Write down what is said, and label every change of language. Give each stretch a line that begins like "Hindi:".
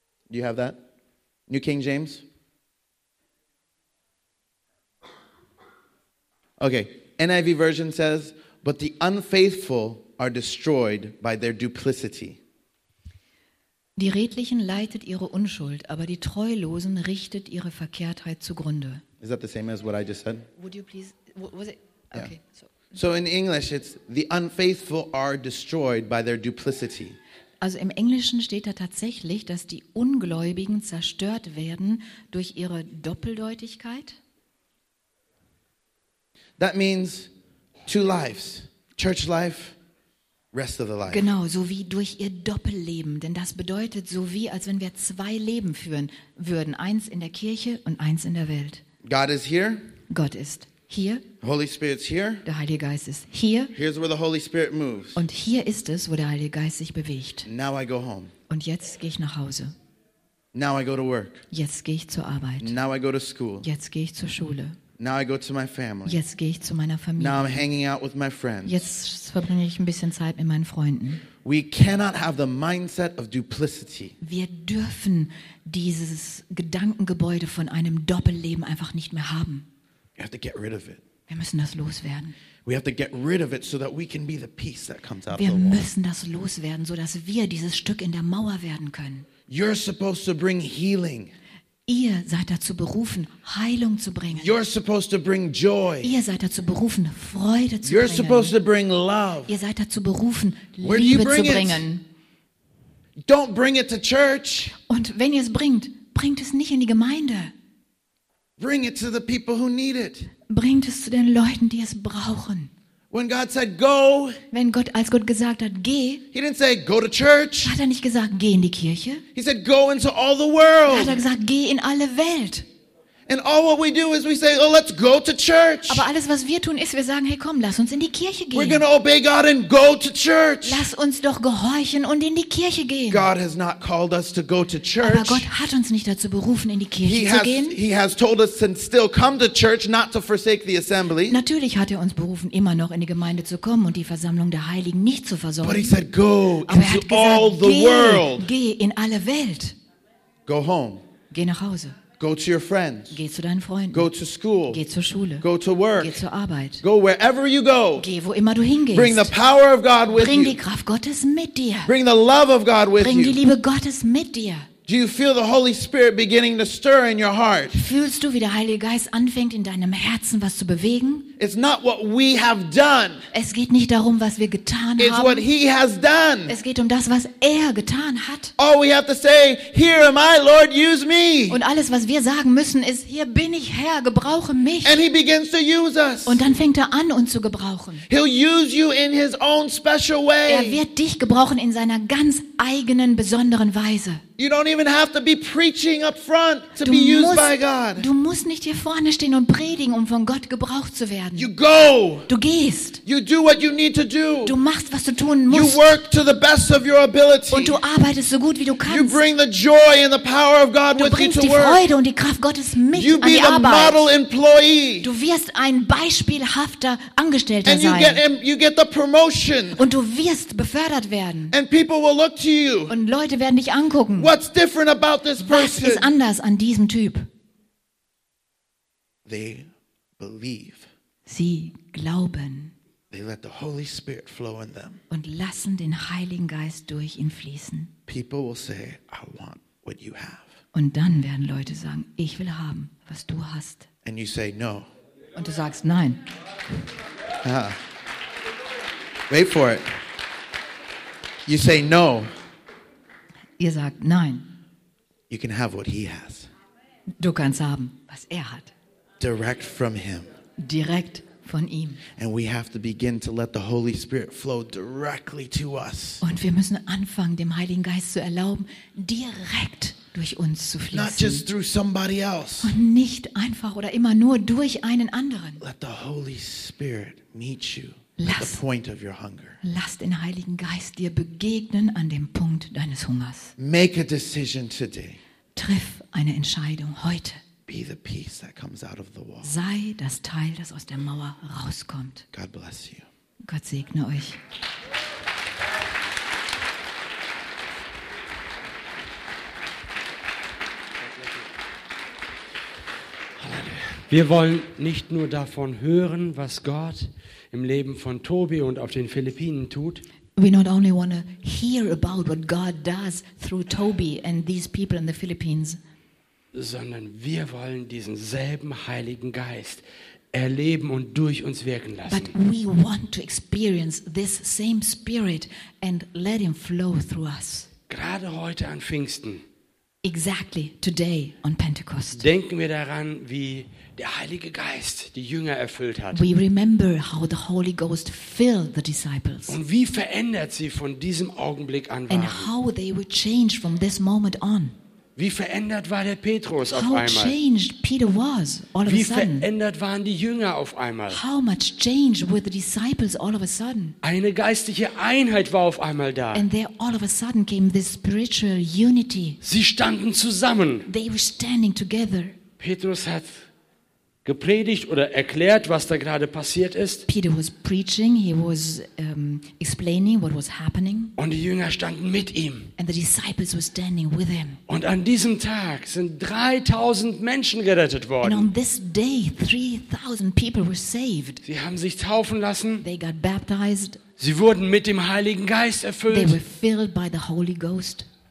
English: Do you have that? New King James? Okay, NIV version says, but the unfaithful are destroyed by their duplicity.
German: Die Redlichen leitet ihre Unschuld, aber die Treulosen richtet ihre Verkehrtheit zugrunde.
English: Is that the same as what I just said? Would you please... Was it? Okay, yeah. So in English it's the unfaithful are destroyed by their duplicity.
German: Also im Englischen steht da tatsächlich, dass die Ungläubigen zerstört werden durch ihre Doppeldeutigkeit.
English: That means two lives, church life, rest of the life.
German: Genau, so wie durch ihr Doppelleben, denn das bedeutet so wie als wenn wir zwei Leben führen würden, eins in der Kirche und eins in der Welt.
English: God is here?
German: Gott ist hier.
English: Holy Spirit's here.
German: Der Heilige Geist ist hier.
English: Here's where the Holy Spirit moves.
German: Und hier ist es, wo der Heilige Geist sich bewegt.
English: Now I go home.
German: Und jetzt gehe ich nach Hause.
English: Now I go to work.
German: Jetzt gehe ich zur Arbeit.
English: Now I go to school.
German: Jetzt gehe ich zur Schule.
English: Now I go to my family.
German: Jetzt gehe ich zu meiner Familie.
English: Now I'm hanging out with my friends.
German: Jetzt verbringe ich ein bisschen Zeit mit meinen Freunden.
English: We cannot have the mindset of duplicity.
German: Wir dürfen dieses Gedankengebäude von einem Doppelleben einfach nicht mehr haben.
English: You have to get rid of it.
German: Wir müssen das loswerden.
English: We have to get rid of it so that we can be the peace that comes out of the wall.
German: Wir müssen das loswerden, so dass wir dieses Stück in der Mauer werden können.
English: You're supposed to bring healing.
German: Ihr seid dazu berufen, Heilung zu bringen.
English: You're supposed to bring joy.
German: Ihr seid dazu berufen, Freude zu
English: You're
German: bringen.
English: Supposed to bring love.
German: Ihr seid dazu berufen, Liebe zu bringen.
English: Don't bring it to church.
German: Und wenn ihr es bringt, bringt es nicht in die Gemeinde.
English: Bring it to the people who need it.
German: Bringt es zu den Leuten, die es brauchen.
English: When God said, go,
German: wenn Gott, als Gott gesagt hat, geh,
English: he didn't say, go to church.
German: Hat er nicht gesagt, geh in die Kirche.
English: He said, go into all the world.
German: Hat er gesagt, geh in alle Welt.
English: And all what we do is we say, oh, let's go to church.
German: Aber alles, was wir tun, ist, wir sagen, hey, komm, lass uns in die Kirche gehen.
English: We're going to obey God and go to church.
German: Lass uns doch gehorchen und in die Kirche gehen.
English: God has not called us to go to church.
German: Aber Gott hat uns nicht dazu berufen, in die Kirche zu gehen.
English: He has told us to still come to church, not to forsake the assembly.
German: Natürlich hat er uns berufen, immer noch in die Gemeinde zu kommen und die Versammlung der Heiligen nicht zu versäumen.
English: But he said, go
German: Aber
English: into
German: er hat gesagt,
English: all the world.
German: Geh in alle Welt.
English: Go home.
German: Geh nach Hause.
English: Go to your friends.
German: Geh zu deinen Freunden.
English: Go to school.
German: Geh zur Schule.
English: Go to work.
German: Geh zur Arbeit.
English: Go wherever you go.
German: Geh wo immer du hingehst.
English: Bring the power of God with
German: Bring Bring die Kraft Gottes mit dir.
English: Bring the love of God with
German: Bring
English: you.
German: Bring die Liebe Gottes mit dir.
English: Do you feel the Holy Spirit beginning to stir in your heart?
German: Fühlst du, wie der Heilige Geist anfängt in deinem Herzen was zu bewegen?
English: It's not what we have done.
German: Es geht nicht darum, was wir getan
English: It's
German: haben.
English: What he has done.
German: Es geht um das, was er getan hat.
English: All we have to say, here am I, Lord, use me.
German: Und alles, was wir sagen müssen, ist, hier bin ich, Herr, gebrauche mich.
English: And he begins to use us.
German: Und dann fängt er an, uns zu gebrauchen.
English: He'll use you in his own special way.
German: Er wird dich gebrauchen in seiner ganz eigenen, besonderen Weise.
English: You don't even have to be preaching up front to be used by God.
German: Du musst nicht hier vorne stehen und predigen, um von Gott gebraucht zu werden.
English: You go.
German: Du gehst.
English: You do what you need to do.
German: Du machst, was du tun musst.
English: You work to the best of your ability.
German: Und du arbeitest so gut, wie du kannst.
English: You bring the joy and the power of God with you to work.
German: Du bringst die Freude und die Kraft Gottes mit an die Arbeit.
English: You be a model employee.
German: Du wirst ein beispielhafter Angestellter sein.
English: And you get the promotion.
German: Und du wirst befördert werden.
English: And people will look to you.
German: Und Leute werden dich angucken.
English: What's different about this person?
German: Was ist anders an diesem Typ?
English: They believe.
German: Sie glauben.
English: They let the Holy Spirit flow in them.
German: Und lassen den Heiligen Geist durch ihn fließen.
English: People will say, I want what you have.
German: Und dann werden Leute sagen, ich will haben, was du hast.
English: And you say no.
German: Und du sagst nein.
English: Ah. Wait for it. You say no.
German: Ihr sagt nein.
English: You can have what he has.
German: Du kannst haben, was er hat.
English: Direct from him.
German: Direkt von ihm.
English: And we have to begin to let the Holy Spirit flow directly to us.
German: Und wir müssen anfangen, dem Heiligen Geist zu erlauben, direkt durch uns zu fließen.
English: Not just through somebody else.
German: Und nicht einfach oder immer nur durch einen anderen.
English: Let the Holy Spirit meet you. At the point of your hunger.
German: Lass den Heiligen Geist dir begegnen an dem Punkt deines Hungers.
English: Make a decision today.
German: Triff eine Entscheidung heute.
English: Be the piece that comes out of the wall.
German: Sei das Teil, das aus der Mauer rauskommt.
English: God bless you.
German: Gott segne euch. Wir wollen nicht nur davon hören, was Gott im Leben von Tobi und auf den Philippinen tut.
English: We not only want to hear about what God does through Toby and these people in the Philippines,
German: sondern wir wollen diesen selben Heiligen Geist erleben und durch uns wirken lassen.
English: But we want to experience this same spirit and let him flow through us.
German: Gerade heute an Pfingsten.
English: Exactly today on Pentecost.
German: Denken wir daran, wie der Heilige Geist die Jünger erfüllt hat.
English: We remember how the Holy Ghost filled the disciples.
German: Und wie verändert sie von diesem Augenblick an waren.
English: And how they were changed from this moment on.
German: Wie verändert war der Petrus
English: how
German: auf einmal?
English: Changed Peter was all
German: wie
English: of a sudden.
German: Wie verändert waren die Jünger auf einmal?
English: How much changed were the disciples all of a sudden?
German: Eine geistliche Einheit war auf einmal da.
English: And there all of a sudden came this spiritual unity.
German: Sie standen zusammen.
English: They were standing together.
German: Petrus hat gepredigt oder erklärt, was da gerade passiert ist.
English: Peter was preaching, he was explaining what was happening.
German: Und die Jünger standen mit ihm.
English: And the disciples were standing with him.
German: Und an diesem Tag sind 3000 Menschen gerettet worden.
English: And on this day 3000 people were saved.
German: Sie haben sich taufen lassen.
English: They got baptized.
German: Sie wurden mit dem Heiligen Geist erfüllt.
English: They were filled by the Holy Ghost.